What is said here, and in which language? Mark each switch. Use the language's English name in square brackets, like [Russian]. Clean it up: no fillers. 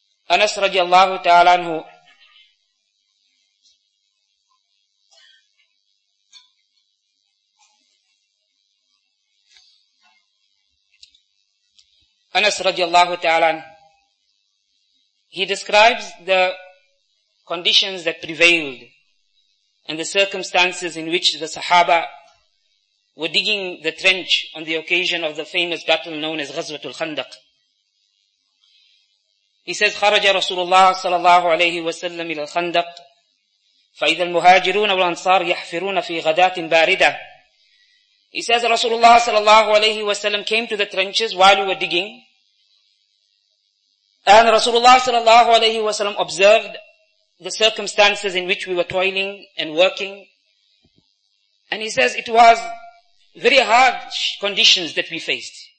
[English] Anas radiallahu ta'ala anhu, Anas radiallahu ta'ala anhu, he describes the conditions that prevailed and the circumstances in which the Sahaba were digging the trench on the occasion of the famous battle known as Ghazwatul Khandaq. He says, [Arabic] خرج رسول الله صلى الله عليه وسلم إلى الخندق فإذا المهاجرون والأنصار يحفرون في غدات باردة. [English] He says, رسول الله صلى الله عليه وسلم came to the trenches while we were digging. And رسول الله صلى الله عليه وسلم observed the circumstances in which we were toiling and working. And he says, it was very hard conditions that we faced.